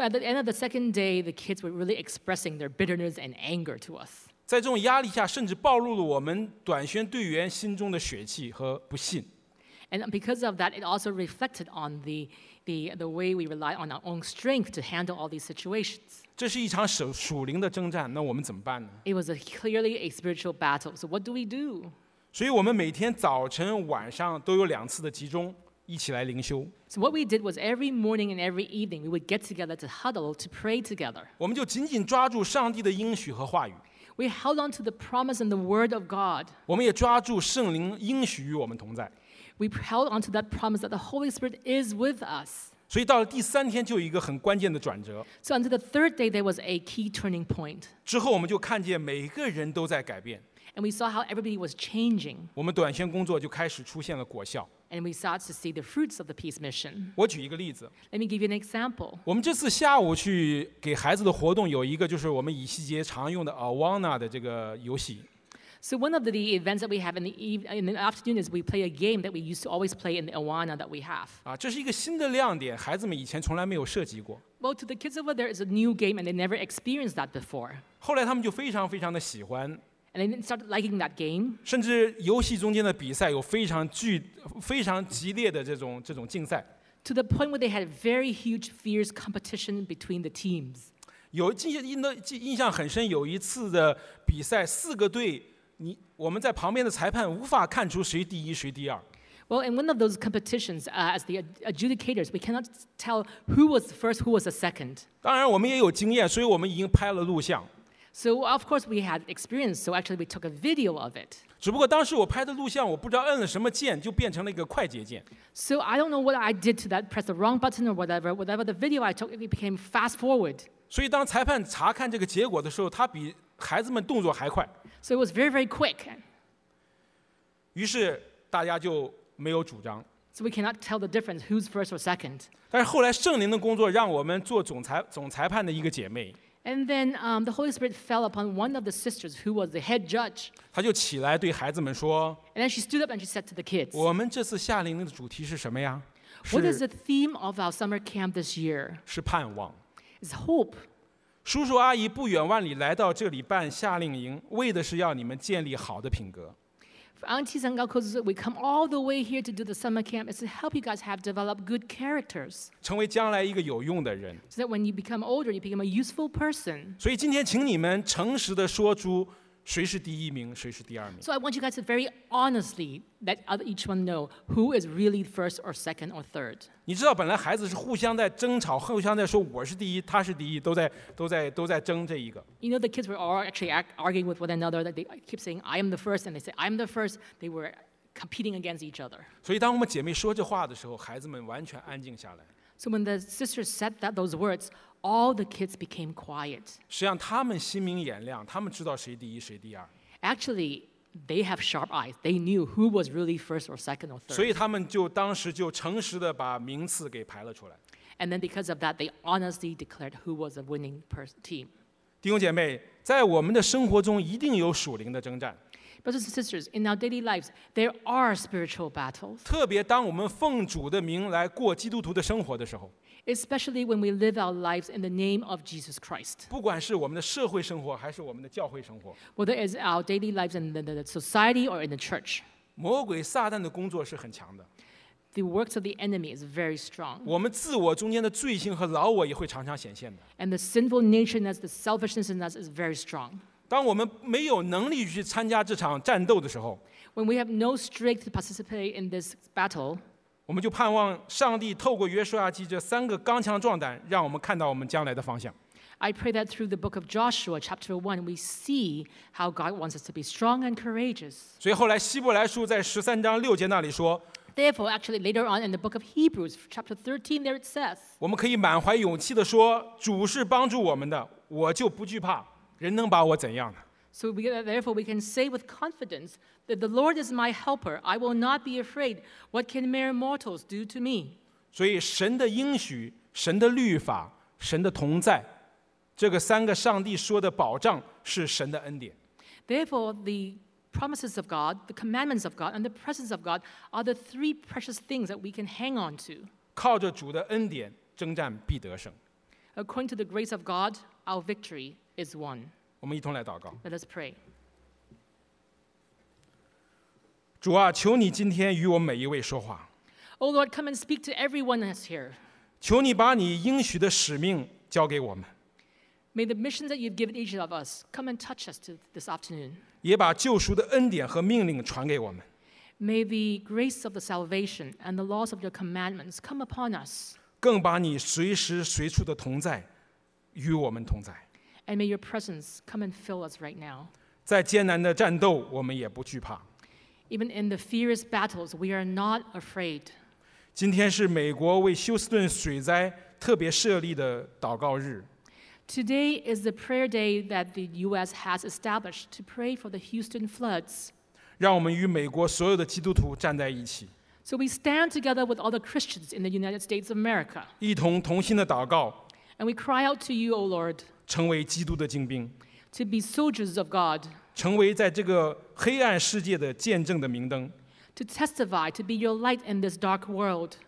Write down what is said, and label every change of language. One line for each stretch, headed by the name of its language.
English: at the end of the second day, the kids were really expressing their bitterness and anger to us.
Chinese: 在这种压力下，甚至暴露了我们短宣队员心中的血气和不信。
English: And because of that, it also reflected on the way we rely on our own strength to handle all these situations.
Chinese: 这是一场属灵的征战，那我们怎么办呢？
English: It was clearly a spiritual battle. So what do we do?
Chinese: 所以我们每天早晨晚上都有两次的集中，一起来灵修。
English: So what we did was every morning and every evening, we would get together to huddle, to pray together.
Chinese: 我们就紧紧抓住上帝的应许和话语。
English: We held on to the promise and the word of God.
Chinese: 我们也抓住圣灵应许与我们同在。
English: We held onto that promise that the Holy Spirit is with us.
Chinese: 所以到了第三天就有一个很关键的转折。
English: So until the third day, there was a key turning point.
Chinese: 之后我们就看见每个人都在改变。
English: And we saw how everybody was changing.
Chinese: 我们短宣工作就开始出现了果效。
English: And we start to see the fruits of the peace mission.
Chinese: 我举一个例子。
English: Let me give you an example.
Chinese: 我们这次下午去给孩子的活动有一个就是我们以西结常用的 Awana的这个游戏。
English: So one of the events that we have in the afternoon is we play a game that we used to always play in the Awana that we have.
Chinese: 这是一个新的亮点，孩子们以前从来没有涉及过。
English: Well, to the kids over there, it's a new game and they never experienced that before.
Chinese: 后来他们就非常非常的喜欢。
English: And I didn't start liking that game.
Chinese: 甚至游戏中间的比赛有非常激烈的这种竞赛。
English: To the point where they had very huge, fierce competition between the teams.
Chinese: 有印象很深，有一次的比赛，四个队，我们在旁边的裁判无法看出谁第一，谁第二。
English: Well, in one of those competitions, as the adjudicators, we cannot tell who was the first, who was the second.
Chinese: 当然，我们也有经验，所以我们已经拍了录像。
English: So of course we had experience, so actually we took a video of it.
Chinese: 只不过当时我拍的录像，我不知道摁了什么键，就变成了一个快捷键。
English: So I don't know what I did to that, press the wrong button or whatever. Whatever the video I took, it became fast forward.
Chinese: 所以当裁判查看这个结果的时候，他比孩子们动作还快。
English: So it was very, very quick.
Chinese: 于是大家就没有主张。
English: So we cannot tell the difference who's first or second.
Chinese: 但是后来圣灵的工作让我们做总裁判的一个姐妹。
English: And then the Holy Spirit fell upon one of the sisters who was the head judge.
Chinese: 她就起来对孩子们说。
English: And then she stood up and she said to the kids.
Chinese: 我们这次夏令营的主题是什么呀？
English: What is the theme of our summer camp this year?
Chinese: 是盼望。
English: It's hope.
Chinese: 叔叔阿姨不远万里来到这里办夏令营，为的是要你们建立好的品格。
English: Aunties and uncles, we come all the way here to do the summer camp is to help you guys have develop good characters.
Chinese: 成为将来一个有用的人。
English: So that when you become older, you become a useful person.
Chinese: 所以今天请你们诚实地说出谁是第一名，谁是第二名。
English: So I want you guys to very honestly let each one know who is really first or second or third.
Chinese: 你知道本来孩子是互相在争吵，互相在说我是第一，他是第一，都在争这一个。
English: You know the kids were all actually arguing with one another that they keep saying I am the first and they say I am the first. They were competing against each other.
Chinese: 所以当我们姐妹说这话的时候，孩子们完全安静下来。
English: So when the sisters said that those words. All the kids became quiet.
Chinese: 实际上他们心明眼亮，他们知道谁第一谁第二。
English: Actually, they have sharp eyes. They knew who was really first or second or third.
Chinese: 所以他们就当时就诚实地把名次给排了出来。
English: And then because of that, they honestly declared who was the winning team.
Chinese: 弟兄姐妹，在我们的生活中一定有属灵的征战。
English: Brothers and sisters, in our daily lives, there are spiritual battles.
Chinese: 特别当我们奉主的名来过基督徒的生活的时候。
English: Especially when we live our lives in the name of Jesus Christ.
Chinese: 不管是我们的社会生活还是我们的教会生活。
English: Whether it's our daily lives in the society or in the church.
Chinese: 魔鬼撒旦的工作是很强的。
English: The works of the enemy is very strong.
Chinese: 我们自我中间的罪性和老我也会常常显现的。
English: And the sinful nature in us, the selfishness in us is very strong.
Chinese: 当我们没有能力去参加这场战斗的时候。
English: When we have no strength to participate in this battle.
Chinese: 我们就盼望上帝透过约书亚记这三个刚强壮胆，让我们看到我们将来的方向。
English: I pray that through the book of Joshua, chapter 1, we see how God wants us to be strong and courageous.
Chinese: 所以后来希伯来书在十三章六节那里说。
English: Therefore, actually, later on in the book of Hebrews, chapter 13, there it says.
Chinese: 我们可以满怀勇气地说，主是帮助我们的，我就不惧怕，人能把我怎样呢？
English: So therefore we can say with confidence that the Lord is my helper. I will not be afraid. What can mere mortals do to me?
Chinese: 所以神的应许、神的律法、神的同在，这个三个上帝说的保障是神的恩典。
English: Therefore, the promises of God, the commandments of God, and the presence of God are the three precious things that we can hang on to.
Chinese: 靠着主的恩典，征战必得胜。
English: According to the grace of God, our victory is won.
Chinese: 我们一同来祷告。
English: Let us pray.
Chinese: 主啊，求你今天与我们每一位说话。
English: Oh Lord, come and speak to everyone that's here.
Chinese: 求你把你应许的使命交给我们。
English: May the mission that you've given each of us come and touch us this afternoon.
Chinese: 也把救赎的恩典和命令传给我们。
English: May the grace of the salvation and the laws of your commandments come upon us.
Chinese: 更把你随时随处的同在与我们同在。
English: And may your presence come and fill us right now.
Chinese: 在艰难的战斗，我们也不惧怕。
English: Even in the fierce battles, we are not afraid.
Chinese: 今天是美国为休斯顿水灾特别设立的祷告日。
English: Today is the prayer day that the U.S. has established to pray for the Houston floods.
Chinese: 让我们与美国所有的基督徒站在一起。
English: So we stand together with all the Christians in the United States of America.
Chinese: 一同同心的祷告。
English: And we cry out to you, O Lord.
Chinese: 成为基督的精兵
English: to be soldiers of God,
Chinese: 成为在这个黑暗世界的见证的明灯
English: to testify, to be your light in this dark world.